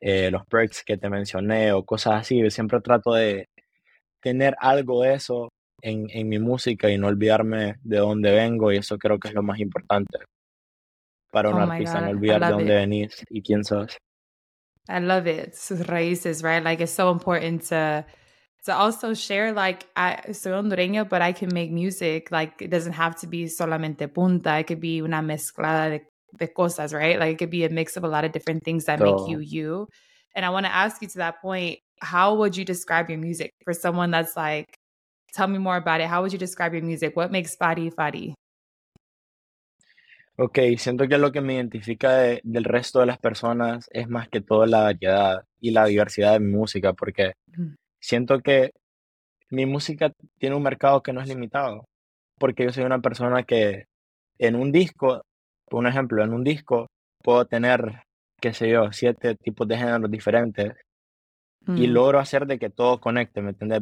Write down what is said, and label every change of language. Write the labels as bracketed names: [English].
[Spanish] los perks que te mencioné o cosas así. Yo siempre trato de tener algo de eso en mi música y no olvidarme de dónde vengo, y eso creo que es lo más importante para un artista, no olvidar de dónde venís y quién sos. [English] I love it. [Spanish] Sus raíces, [English] right? Like, it's so important to also share, like, I [Spanish] soy hondureño, [English] but I can make music. Like, it doesn't have to be [Spanish] solamente punta. [English] It could be [Spanish] una mezclada de cosas, [English] right? Like, it could be a mix of a lot of different things that make you you. And I want to ask you, to that point, how would you describe your music for someone that's like, tell me more about it. How would you describe your music? What makes FARî, FARî? [Spanish] Okay, siento que lo que me identifica del resto de las personas es más que todo la variedad y la diversidad de mi música, porque siento que mi música tiene un mercado que no es limitado, porque yo soy una persona que en un disco, por un ejemplo, en un disco puedo tener, qué sé yo, 7 tipos de géneros diferentes y logro hacer de que todo conecte, ¿me entiendes?